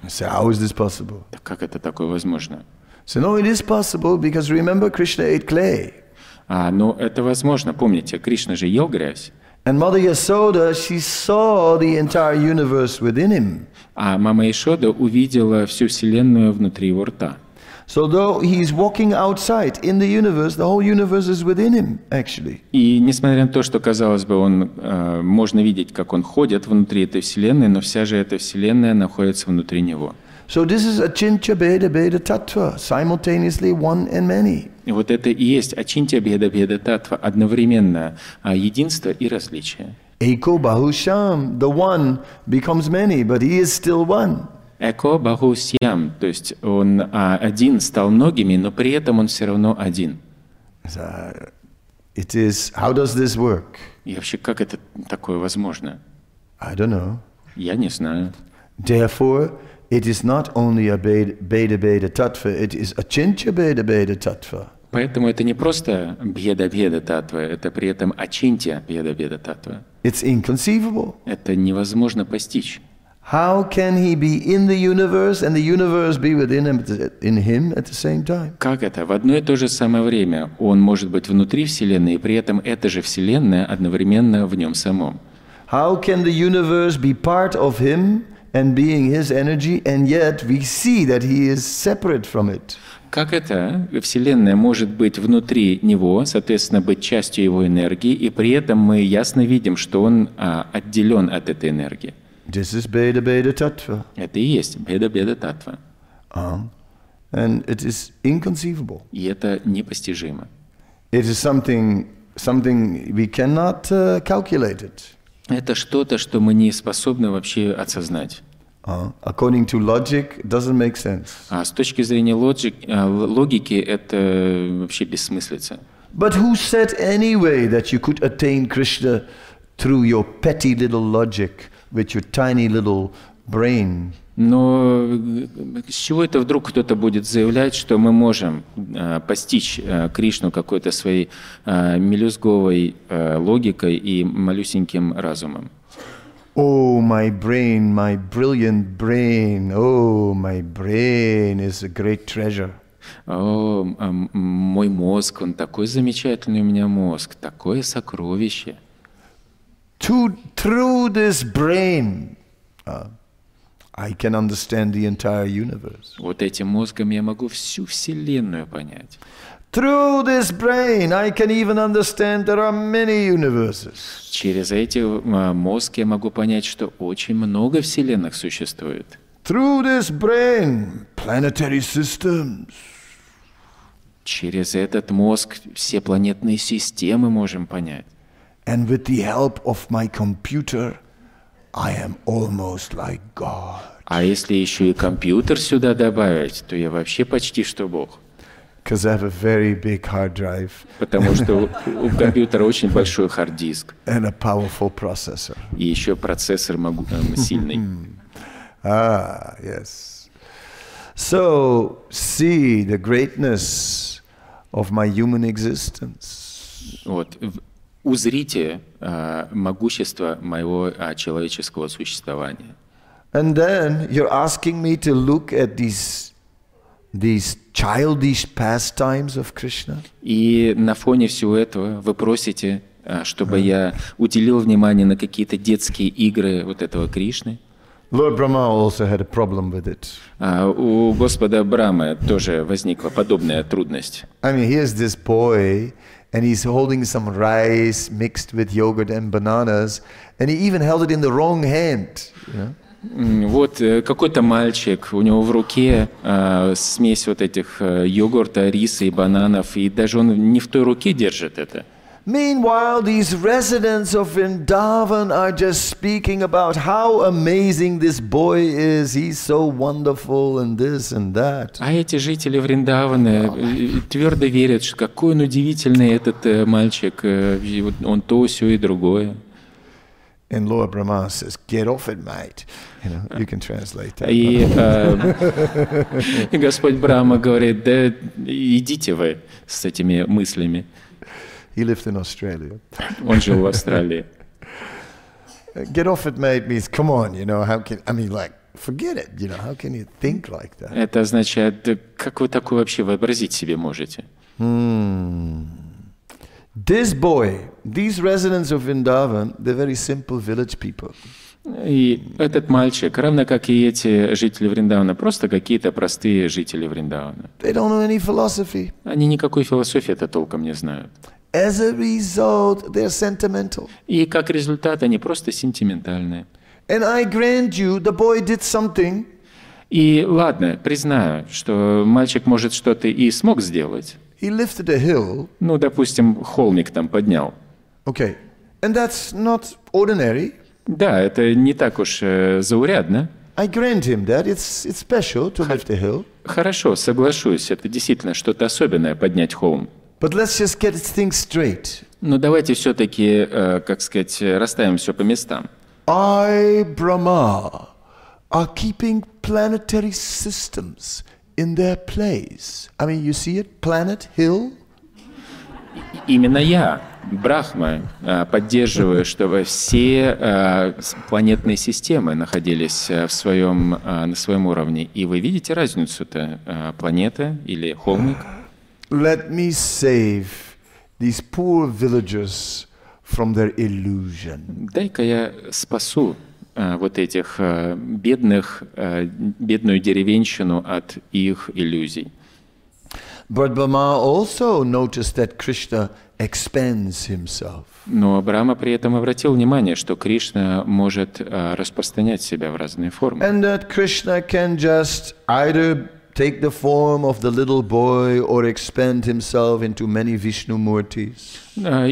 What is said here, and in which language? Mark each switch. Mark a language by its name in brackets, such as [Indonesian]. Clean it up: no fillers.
[English] So how is this possible? [Russian] Как это такое возможно? [English] So no, it is possible because remember Krishna ate clay. [Russian] Но это возможно, помните, Кришна же ел грязь. [English] And Mother Yasoda, she saw the entire universe within him. [Russian] А мама Яшода увидела всю вселенную внутри его рта. [English] So though he is walking outside in the whole universe is within him, actually. [Russian] И несмотря на то, что казалось бы, он можно видеть, как он ходит внутри этой вселенной, но вся же эта вселенная находится внутри него. [English] So this is Achintya Bheda Bheda Tattva, simultaneously one and many. [Russian] И вот это и есть Achintya Bheda Bheda Tattva, одновременно единство и различие. [English] Eko Bahusham, the one becomes many, but he is still one. [Russian] Эко Баху Сьям, то есть он один стал многими, но при этом он все равно один. [English] It is, how does this work? [Russian] И вообще, как это такое возможно? [English] I don't know. [Russian] Я не знаю. [English] Therefore, it is not only a Bheda Bheda Tattva, it is Achintya Bheda Bheda Tattva. [Russian] Поэтому это не просто Бхеда Бхеда Таттва, это при этом Ачинтья Бхеда Бхеда Таттва. [English] It's inconceivable. [Russian] Это невозможно постичь. [English] How can he be in the universe and the universe be within him, in him at the same time? [Russian] Как это? В одно и то же самое время он может быть внутри вселенной, и при этом эта же вселенная одновременно в нем самом. [English] How can the universe be part of him and being his energy, and yet we see that he is separate from it? [Russian] Как это? Вселенная может быть внутри него, соответственно, быть частью его энергии, и при этом мы ясно видим, что он отделен от этой энергии. [English] This is Bheda Bheda Tattva. [Russian] Это и есть Bheda Bheda Tattva. [English] And it is inconceivable. [Russian] И это непостижимо. [English] It is something we cannot calculate it. [Russian] Это что-то, что мы не способны вообще осознать. [English] According to logic, doesn't make sense. [Russian] С точки зрения логики это вообще бессмыслица. [English] But who said anyway that you could attain Krishna through your petty little logic? With your tiny little brain. [Russian] Но с чего это вдруг кто-то будет заявлять, что мы можем постичь Кришну какой-то своей мелюзговой логикой и малюсеньким разумом? [English] Oh, my brain, my brilliant brain. Oh, my brain is a great treasure. [Russian] Мой мозг, он такой замечательный у меня мозг, такое сокровище. [English] Through this brain, I can understand the entire universe. [Russian] Вот этим мозгом я могу всю вселенную понять. [English] Through this brain, I can even understand there are many universes. [Russian] Через эти мозг я могу понять, что очень много вселенных существует. [English] Through this brain, planetary systems. [Russian] Через этот мозг все планетные системы можем понять. [English] And with the help of my computer, I am almost like God. [Russian] А если еще и компьютер сюда добавить, то я вообще почти что Бог. [English] Because I have a very big hard drive. [Russian] Потому что у компьютера очень большой хард-диск. [English] And a powerful processor. [Russian] И еще процессор сильный. [English] Ah, yes. So, see the greatness of my human existence. [Russian] Вот, узрите могущество моего человеческого существования. [English] And then you're asking me to look at these childish pastimes of Krishna. [Russian] И на фоне всего этого вы просите, чтобы я уделил внимание на какие-то детские игры вот этого Кришны. [English] Lord Brahma also had a problem with it. [Russian] У господа Брамы тоже возникла подобная трудность. [English] I mean, here's this boy, and he's holding some rice mixed with yogurt and bananas, and he even held it in the wrong hand. [Russian] Вот какой-то мальчик, у него в руке смесь вот этих йогурта, риса и бананов, и даже он не в той руке держит это. [English] Meanwhile, these residents of Vrindavan are just speaking about how amazing this boy is. He's so wonderful and this and that. [Russian] А эти жители Вриндавана твердо верят, что какой он удивительный этот мальчик. Он то, сё и другое. [English] And Lord Brahma says, "Get off it, mate." You know, you can translate that. [Russian] И Господь Брама говорит: "Да идите вы с этими мыслями." [English] He lived in Australia. [Russian] Он жил в Австралии. [English] Get off it, mate, means come on, you know, how can, I mean, like, forget it, you know, how can you think like that? [Russian] Это означает, как вы такое вообще вообразить себе можете? [English] This boy, these residents of Vrindavan, they're very simple village people. [Russian] И этот мальчик, равно как и эти жители Вриндавана, просто какие-то простые жители Вриндавана. [English] They don't know any philosophy. [Russian] Они никакой философии-то толком не знают. [English] As a result, they're sentimental. [Russian] И как результат, они просто сентиментальные. [English] And I grant you, the boy did something. [Russian] И ладно, признаю, что мальчик может что-то и смог сделать. [English] He lifted a hill. [Russian] Ну, допустим, холмик там поднял. [English] Okay. And that's not ordinary. [Russian] Да, это не так уж заурядно. [English] I grant him that it's special to lift a hill. [Russian] Хорошо, соглашусь, это действительно что-то особенное поднять холм. [English] But let's just get things straight. [Russian] Но давайте все-таки, как сказать, расставим все по местам. [English] I, Brahma, are keeping planetary systems in their place. I mean, you see it, planet, hill. [Russian] Именно я, Брахма, поддерживаю, чтобы все планетные системы находились на своем уровне. И вы видите разницу-то, планета или холмик? [English] Let me save these poor villagers from their illusion. [Russian] Дай-ка я спасу вот этих бедных, бедную деревенщину от их иллюзий. [English] But Brahma also noticed that Krishna expands himself. [Russian] Но Брама при этом обратил внимание, что Кришна может распространять себя в разные формы. [English] And that Krishna can just either take the form of the little boy or expand himself into many Vishnu murtis.